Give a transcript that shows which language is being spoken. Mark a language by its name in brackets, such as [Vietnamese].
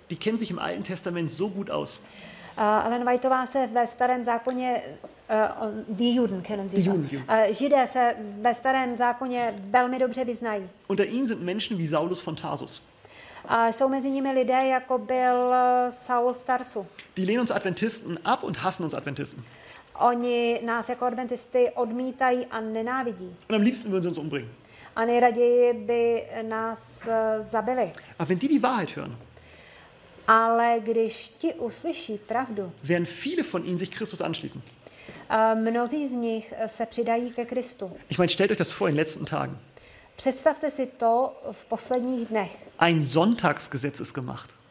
[German] Die kennen sich im Alten Testament so gut aus. [Czech] Ellen Whiteová se ve starém zákoně [German] die Juden kennen sie. [Czech] Židé se ve starém zákoně velmi dobře vyznají. [German] Unter ihnen sind Menschen wie Saulus von Tarsus. [Czech] Jsou mezi nimi lidé, jako byl Saul z Tarsu. [German] Die lehnen uns Adventisten ab und hassen uns Adventisten. [Czech] Oni nás jako adventisty odmítají a nenávidí. [German] Und am liebsten würden sie uns umbringen. [Czech] A nejraději by nás zabili. [German] Aber wenn die Wahrheit hören. [Czech] Ale když ti uslyší pravdu. [German] Werden viele von ihnen sich Christus anschließen. [Czech] Mnozí z nich se přidají ke Kristu. [German] Ich meine, stellt euch das vor in den letzten Tagen. [Czech] Představte si to v posledních dnech. [German] Ein Sonntagsgesetz ist gemacht.